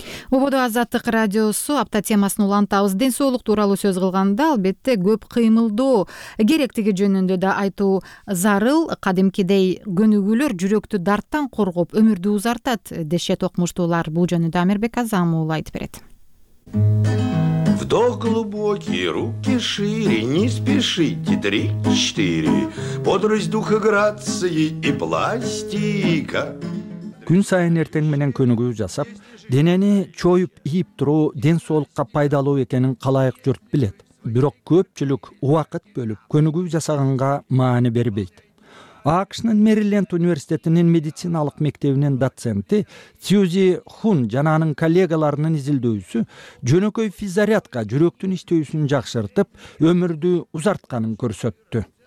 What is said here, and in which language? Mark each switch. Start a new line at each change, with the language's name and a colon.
Kyrgyz: Обода Азаттык радиосу апта темасын улантабыз. Ден соолук тууралуу сөз кылганда албетте көп кыймылдоо керектиги жөнүндө да айтуу зарыл. Кадимкидей көнүгүүлөр жүрөктү дарттан коргоп өмүрдү узартат дешет окумуштуулар. Бул жөнүндө Амирбек Азам уулу айтып берет.
Russian: Вдох глубокий, руки шире, не спешите, 3-4, бодрость духа, грации и пластика.
Kyrgyz: Күн сайын эртең менен көнүгүү жасап, денени чоюп ийип туруу ден соолукка пайдалуу экенин калайык журт билет. Бирок көпчүлүк убакыт бөлүп көнүгүү жасаганга маани бербейт. АКШнын Мэриленд университетинин медициналык мектебинин доценти Сьюзи Хун жана анын коллегаларынын изилдөөсү жөнөкөй физзарядка жүрөктүн иштөөсүн жакшыртып, өмүрдү узартканын көрсөттү.